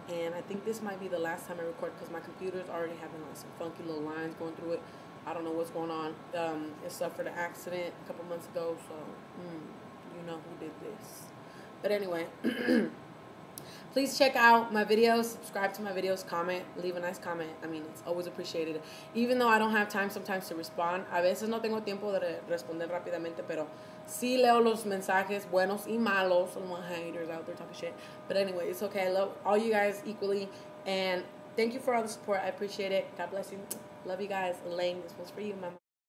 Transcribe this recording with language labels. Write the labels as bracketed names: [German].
[English] And I think this might be the last time I record because my computer's already having like some funky little lines going through it. I don't know what's going on. It suffered an accident a couple months ago, so you know who did this. But anyway, please check out my videos, subscribe to my videos, comment, leave a nice comment. I mean, it's always appreciated. Even though I don't have time sometimes to respond, [Spanish] a veces no tengo tiempo de responder rápidamente, pero sí leo los mensajes buenos y malos. [English] I'm one haters out there talking shit. But anyway, it's okay. I love all you guys equally. And thank you for all the support. I appreciate it. God bless you. Love you guys. Elaine, this one's for you, mama.